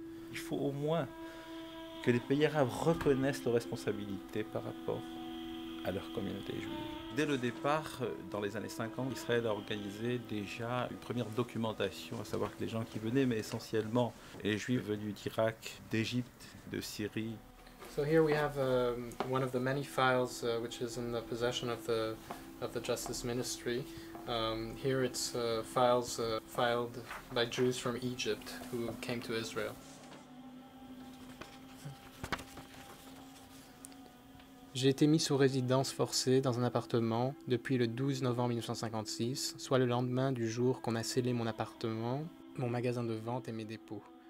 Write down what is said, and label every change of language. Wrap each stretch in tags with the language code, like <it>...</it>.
<fr>Il faut au moins que les pays arabes reconnaissent leurs responsabilités par rapport à leur communauté juive. Dès le départ, dans les années 50, Israël a organisé déjà une première documentation, à savoir que les gens qui venaient, mais essentiellement les juifs venus d'Irak, d'Égypte, de Syrie.</fr> <en>So here we have one of the many files which is in the possession of the Justice Ministry. Here it's files filed by Jews from Egypt who came to Israel.</en> <fr>J'ai été mis sous résidence forcée dans un appartement depuis le 12 novembre 1956, soit le lendemain du jour qu'on a scellé mon appartement, mon magasin de vente et mes dépôts.</fr>